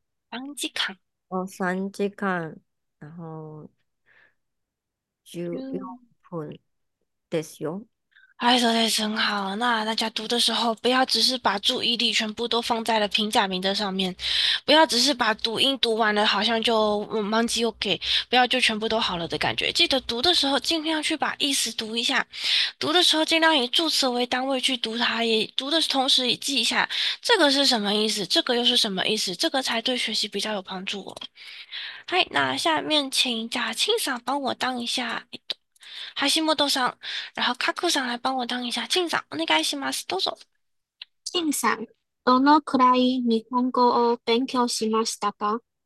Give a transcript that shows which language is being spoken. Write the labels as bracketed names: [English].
[Japanese] 三時間、 [Chinese] 然后 [Japanese] 十四分ですよ。 [Chinese] 哎，说的真好。那大家读的时候，不要只是把注意力全部都放在了平假名的上面，不要只是把读音读完了，好像就忘记 OK，不要就全部都好了的感觉。记得读的时候，尽量去把意思读一下，读的时候尽量以助词为单位去读它，也读的同时也记一下这个是什么意思，这个又是什么意思，这个才对学习比较有帮助哦。嗨，那下面请贾庆嫂帮我当一下。ハシモトさん、然后カクさん来帮我当一下庆さん、 [Japanese] お願いします、どうぞ。金さん、どのくらい日本語を勉強しましたか？